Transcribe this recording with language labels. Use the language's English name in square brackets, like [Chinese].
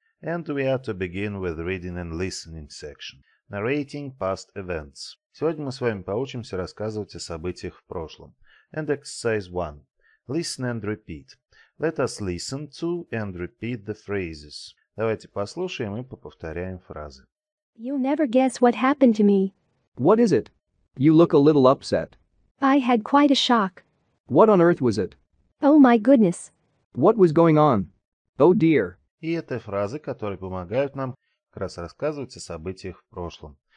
[English] And we are to begin with reading and listening section. Narrating past events. [Russian] Сегодня мы с вами поучимся рассказывать о событиях в прошлом. [English] And exercise 1. Listen and repeat. Let us listen to and repeat the phrases. [Russian] Давайте послушаем и поповторяем фразы. [English] You'll never guess what happened to me. What is it? You look a little upset. I had quite a shock. What on earth was it? Oh my goodness. What was going on? Oh dear. [Russian] И это фразы, которые помогают нам как раз рассказывать о событиях в прошлом.